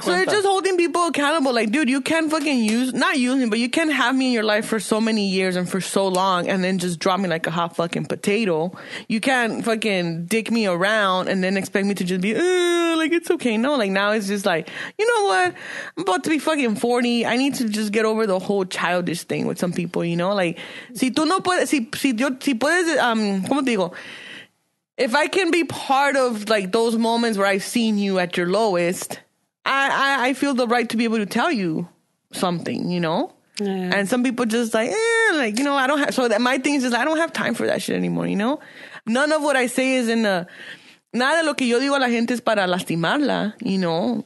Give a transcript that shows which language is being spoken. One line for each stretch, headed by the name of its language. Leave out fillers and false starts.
English: So you're just holding people accountable. Like, dude, you can't fucking you can't have me in your life for so many years and for so long and then just drop me like a hot fucking potato. You can't fucking dick me around and then expect me to just be, like, it's okay. No, like, now it's just like, you know what? I'm about to be fucking 40. I need to just get over the whole childish thing with some people, you know?
Spanish: Like, si tú no puedes, si puedes, ¿cómo te digo?
English: If I can be part of, like, those moments where I've seen you at your lowest, I feel the right to be able to tell you something, you know? Yeah. And some people just like, you know, I don't have, so that my thing is just, I don't have time for that shit anymore, you know? None of what I say is in the,
Spanish: nada lo que yo digo a la gente es para lastimarla,
English: you know?